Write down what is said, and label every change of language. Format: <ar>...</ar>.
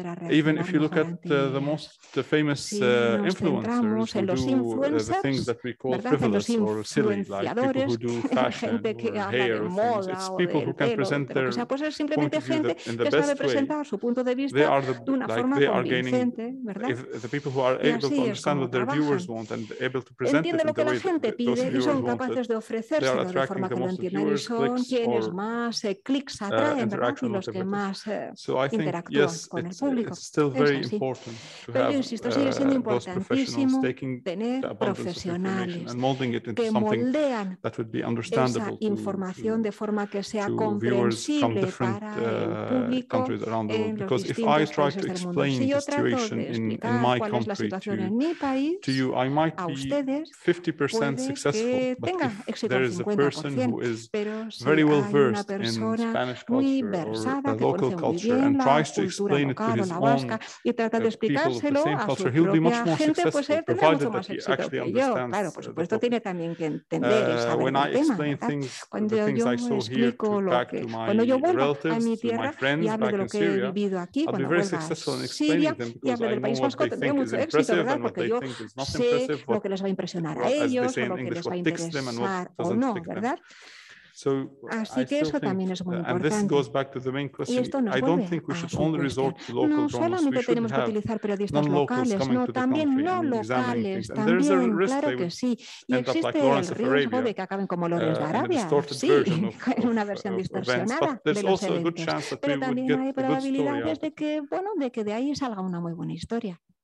<en>Even if you look at the most famous influencers who do the things that we call frivolous or silly, like people who do fashion or hair or things, it's people who can present their point of view in the best way. They are the, like, they are gaining, if the people who are able to understand what their viewers want and able to present it in the way that those viewers want it, they are attracting the most viewers.</en> <es>Son quienes más clics atraen, ¿verdad? Y los que más interactúan con el público.</es> <en>It's still very important to have,</en> <es>pero yo insisto, sigue siendo importantísimo tener profesionales que moldean esa información de forma que sea comprensible para el público en los distintos países del mundo. Si yo trato de explicar cuál es la situación en mi país, a ustedes puede que tenga éxito al 50%, pero</es> <en>very well versed in Spanish culture or the local culture and tries to explain it to his own people of the same culture, he'll be much more successful, provided that he actually understands the topic. When I explain things, the things I saw here back to my relatives, to my friends back in Syria, I'll be very successful in explaining them because I know what they think is impressive and what they think is not impressive, but as they say in English, what ticks them and what doesn't tick them. So,</en> <es>así que eso también es muy importante.</es> <en>This goes back to the main question. I don't think we should only resort to local journalists.</en> <es>No solamente tenemos que utilizar periodistas locales, no, también no locales, también, claro que sí. Y existe el riesgo de que acaben como Lawrence de Arabia, sí, en una versión distorsionada de los eventos. Pero también hay probabilidades de que, bueno, de que de ahí salga una muy buena historia.</es>